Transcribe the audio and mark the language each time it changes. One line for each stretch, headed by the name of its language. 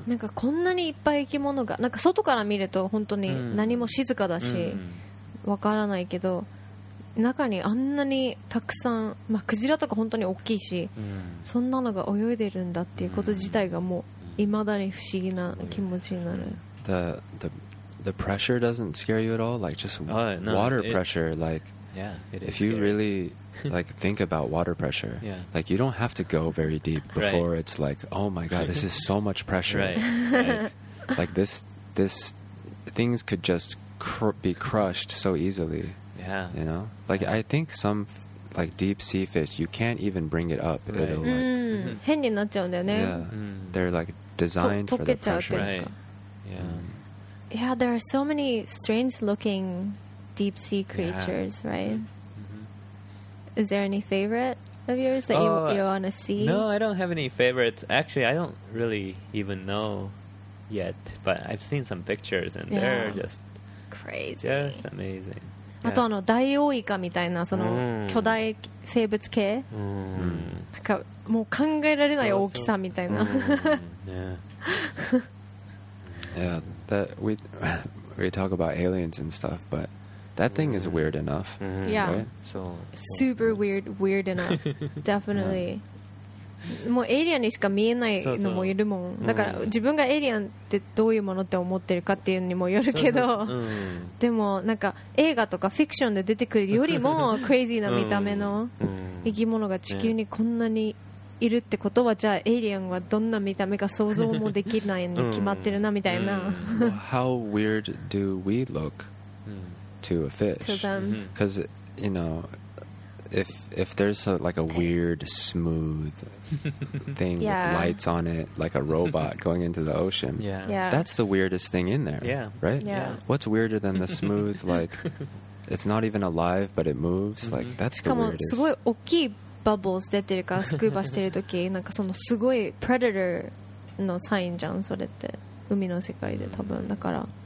Japanese: なんかこんなにいっぱい生き物がなんか外から見ると本当に何も静かだしわからないけど中にあんなにたくさん、まあ、クジラとか本当に大きいしそんなのが泳いでるんだっていうこと自体がもう未だに不思議な気持ちになる
English: The pressure doesn't scare you at all? Like just water pressure like Yeah, it is. If you really like think about water pressure, yeah. like you don't have to go very deep before right. it's like, oh my god, this is so much pressure. Right. Like this things could just be crushed so easily. Yeah. You know? Like yeah. I think some like deep sea fish, you can't even bring it up. Right. It'll like
Japanese: 変になっちゃうんだよね.
English: Yeah. Mm. They're like designed for the pressure. Right. Yeah. Mm. Yeah, there are so many strange looking deep sea creatures, yeah. right? Mm-hmm. Is there any favorite of yours that you want to see? No, I don't have any favorites. Actually, I don't really even know yet, but I've seen some pictures and yeah. they're just crazy. Just amazing.
Japanese: Yeah. あとあのダイオウイカみたいなその巨大生物系、mm. なんかもう考えられない大きさみたいな、
English: mm. Yeah. Yeah, that we talk about aliens and stuff, but that thing is weird enough. Mm. Yeah, right? So super weird, weird enough. Definitely.
Japanese: もうエイリアンにしか見えないのもいるもん。だから自分がエイリアンってどういうものって思ってるかっていうにもよるけど、でもなんか映画とかフィクションで出てくるよりもクレイジーな見た目の生き物が地球にこんなにいるってことは、じゃあエイリアンはどんな見た目か想像もできないに決まってるなみたいな。
English: How weird do we look to a fish? To them. Because, you know,If there's a, like a weird smooth thing yeah. with lights on it, like a robot going into the ocean, yeah. Yeah. that's the weirdest thing in there, yeah. right? Yeah. What's weirder than the smooth, like it's not even alive but it moves? Mm-hmm. Like that's the weirdest.
Japanese: しかもすごい大きいバブルス出てるからスクーバしてる時、なんかそのすごいプレデターのサインじゃん。それって海の世界で多分だから。